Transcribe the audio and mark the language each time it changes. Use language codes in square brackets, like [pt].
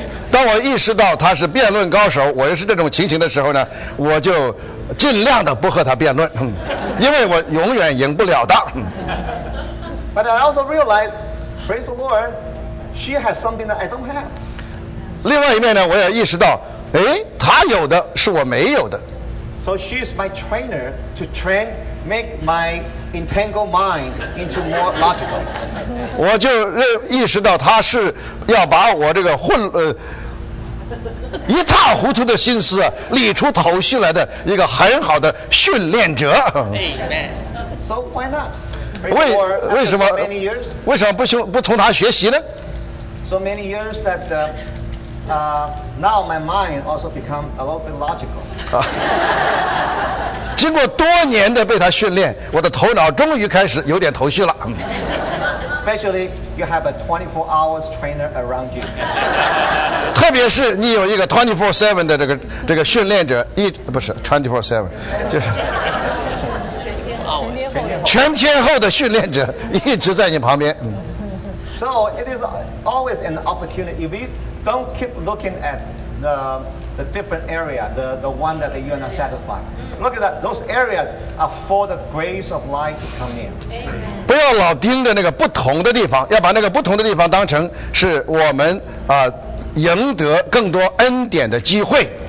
[zh] 当我意识到他是辩论高手，我也是这种情形的时候呢，我就尽量的不和他辩论，因为我永远赢不了的。 [en] But I also realized, praise the Lord, she has something that I don't have. [zh] 另外一面呢，我也意识到，哎，他有的是我没有的。 [en] So she is my trainer to train, make my entangled mind into more logical. [zh] 我就意识到他是要把我这个一塌糊涂的心思理出头绪来的一个很好的训练者。 [en] Amen. So why not? [zh] 为什么不从他学习呢 [en] ？So many years that. Now my mind also become a little bit logical. [zh] 经过多年的被他训练，我的头脑终于开始有点头绪了。 [en] Especially you have a 24 hours trainer around you. [zh] 特别是你有一个24/7的这个训练者，24/7，就是全天候的训练者一直在你旁边。 [en] So it is always an opportunity with. Don't keep looking at the different area, the one that you are not satisfied. Look at that; those areas are for the grace of light to come in. [zh] 不要老盯着那个不同的地方，要把那个不同的地方当成是我们赢得更多恩典的机会。